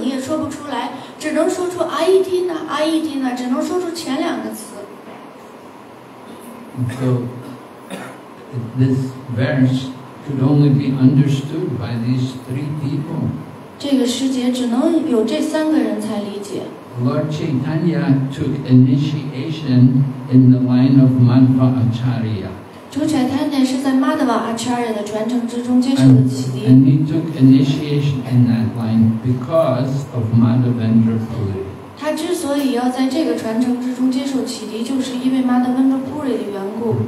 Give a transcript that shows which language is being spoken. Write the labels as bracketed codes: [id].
[en] So, this verse.could only be understood by these three people. [zh] 这个师姐只能有这三个人才理解。 [en] Lord Chaitanya took initiation in the line of Madhva Acharya. [zh] 主柴坦内是在 Madhva Acharya 的传承之中接受的启迪。 [en] And he took initiation in that line because of Madhavendra Puri. [zh] 他之所以要在这个传承之中接受启迪，就是因为 Madhavendra Puri 的缘故。